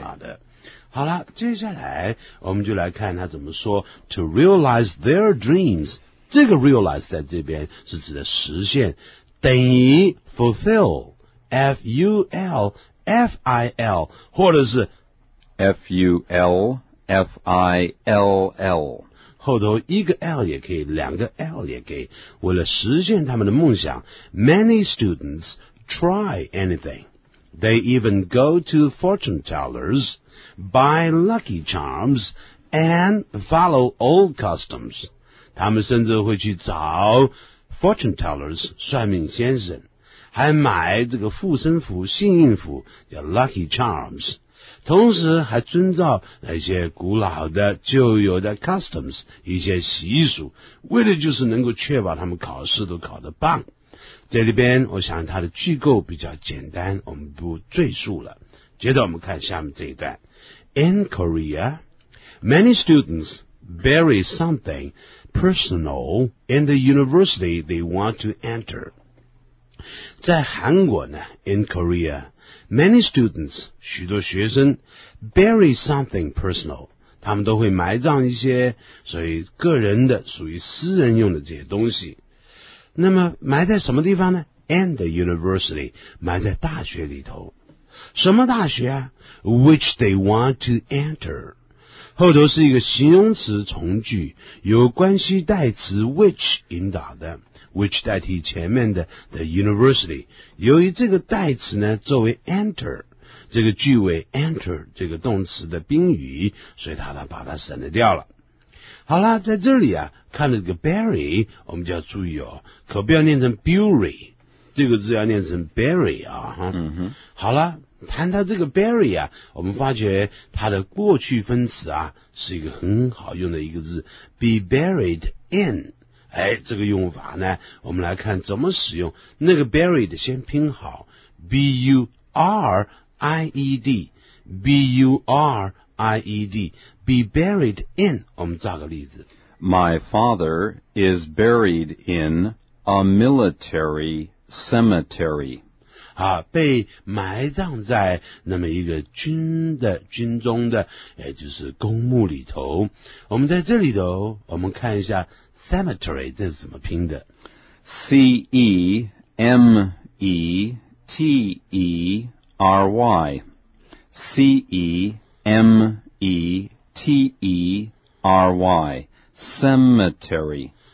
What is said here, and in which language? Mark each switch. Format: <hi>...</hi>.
<zh>好的，好了，接下来我们就来看他怎么说</zh> <en>to realize their dreams，</en> <zh>这个 realize 在这边是指的实现，等于 fulfill F-U-L-F-I-L 或者是 F-U-L-F-I-L-L，后头一个 L 也可以，两个 L 也可以。为了实现他们的梦想，</zh> <en>Many students try anything. They even go to fortune tellers, buy lucky charms, and follow old customs.</en> <zh>他们甚至会去找 fortune tellers, 算命先生，还买这个护身符、幸运符，叫 lucky charms。同时还遵照那些古老的旧有的 customs 一些习俗，为的就是能够确保他们考试都考得棒。这里边我想它的句构比较简单，我们不赘述了。接着我们看下面这一段。</zh> <en>In Korea many students bury something personal in the university they want to enter。</en> <zh>在韩国呢，</zh> <en>In KoreaMany students,</en> <zh>许多学生</zh> <en>bury something personal,</en> <zh>他们都会埋葬一些所以个人的属于私人用的这些东西。那么埋在什么地方呢？</zh> <en>and the university,</en> <zh>埋在大学里头。什么大学啊？</zh> <en>Which they want to enter.</en> <zh>后头是一个形容词从句，由关系代词 which 引导的， which 代替前面的 the university. 由于这个代词呢作为 enter, 这个句尾 enter 这个动词的宾语，所以他呢把它省了掉了。好啦，在这里啊看了这个 Barry, 我们就要注意哦，可不要念成 Bury, 这个字要念成 Barry 啊。嗯哼，好啦，谈到这个 Barry 啊，我们发觉它的过去分词啊是一个很好用的一个字，</zh> <en>be buried in。</en> <zh>哎，这个用法呢我们来看怎么使用。那个 buried 先拼好， B-U-R-I-E-D B-U-R-I-E-D,</zh> <en>be buried in。</en> <zh>我们造个例子，</zh> <en>My father is buried in a military cemetery。</en> <zh>啊，被埋葬在那么一个军的军中的，也就是公墓里头。我们在这里头，我们看一下 cemetery 这是怎么拼的</zh> <en>？C E M E T E R Y, C E M E T E R Y, cemetery。</en>